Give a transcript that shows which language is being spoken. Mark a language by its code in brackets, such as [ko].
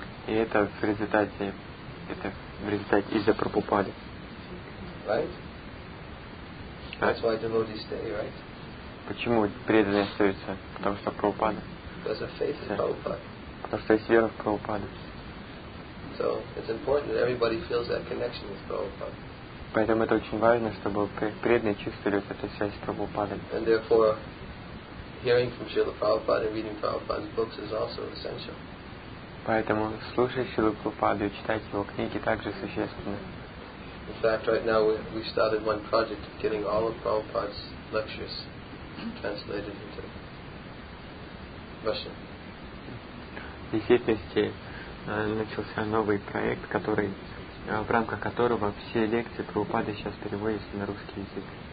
[ru] И это в результате из-за Прабхупады. [en] Right? That's why devotees stay, right? [ru] Почему преданные остаются? Потому что Прабхупада. [en] Because of faith in Prabhupada. [ru] Потому что есть вера в Прабхупаду. [en] So it's important that everybody feels that connection with Prabhupada. [ru] Поэтому это очень важно, чтобы преданные чувствовали эту связь с Прабхупадой. [en] And therefore, hearing from Srila Prabhupada and reading Prabhupada's books is also essential. [ru] Поэтому слушать Шрилу Прабхупаду и читать его книги также существенно. [en] In fact, right now we started one project of getting all of Prabhupada's lectures translated into Russian. [ru] В действительности начался новый проект, который в рамках которого все лекции Прабхупады сейчас переводятся на русский язык.